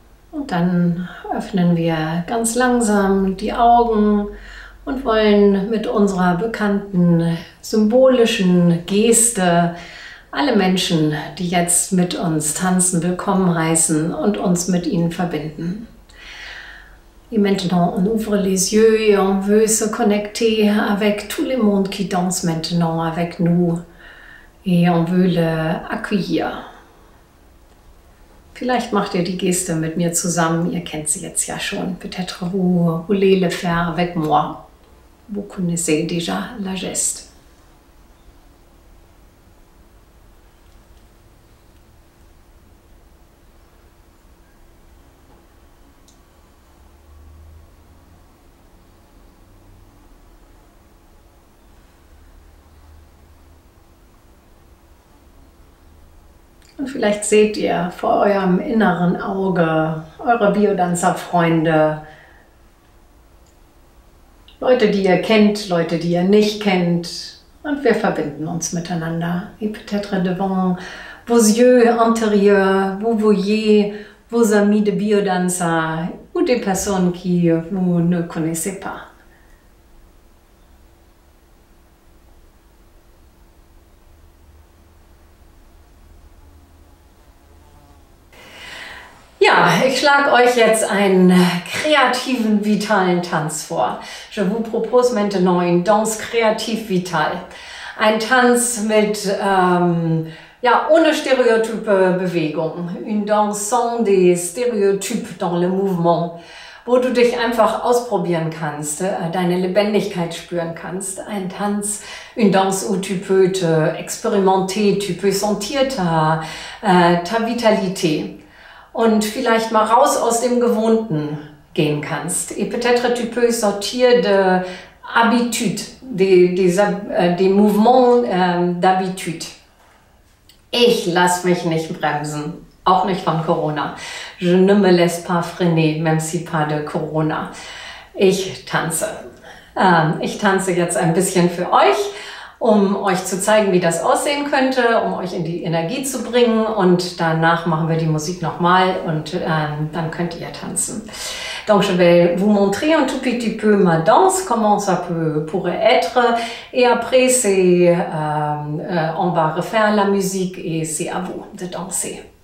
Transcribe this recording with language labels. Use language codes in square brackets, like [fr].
[de] Und dann öffnen wir ganz langsam die Augen und wollen mit unserer bekannten symbolischen Geste alle Menschen, die jetzt mit uns tanzen, willkommen heißen und uns mit ihnen verbinden. [fr] Et maintenant, on ouvre les yeux et on veut se connecter avec tout le monde qui danse maintenant avec nous. Et on veut le accueillir. [de] Vielleicht macht ihr die Geste mit mir zusammen. Ihr kennt sie jetzt ja schon. [fr] Peut-être vous voulez le faire avec moi. Vous connaissez déjà la geste. [de] Und vielleicht seht ihr vor eurem inneren Auge eure Biodanzer-Freunde, Leute, die ihr kennt, Leute, die ihr nicht kennt, und wir verbinden uns miteinander. [fr] Et peut-être devant vos yeux intérieurs, vous voyez vos amis de biodanzer ou des personnes qui vous ne connaissez pas. [de] Ja, ich schlage euch jetzt einen kreativen, vitalen Tanz vor. [fr] Je vous propose maintenant une danse créative vitale. [de] Ein Tanz mit, ohne stereotype Bewegung. [fr] Une danse sans des stéréotypes dans le mouvement. [de] Wo du dich einfach ausprobieren kannst, deine Lebendigkeit spüren kannst. Ein Tanz, [fr] une danse où tu peux te expérimenter, tu peux sentir ta vitalité. [de] Und vielleicht mal raus aus dem Gewohnten gehen kannst. [fr] Et peut-être tu peux sortir de habitude, des mouvements d'habitude. [de] Ich lasse mich nicht bremsen, auch nicht von Corona. [fr] Je ne me laisse pas freiner, même si pas de Corona. [de] Ich tanze. Ich tanze jetzt ein bisschen für euch, um euch zu zeigen, wie das aussehen könnte, um euch in die Energie zu bringen. Und danach machen wir die Musik nochmal und dann könnt ihr tanzen. [fr] Donc, je vais vous montrer un tout petit peu ma danse, comment ça peut, pourrait être. Et après, c'est, on va refaire la musique et c'est à vous de danser.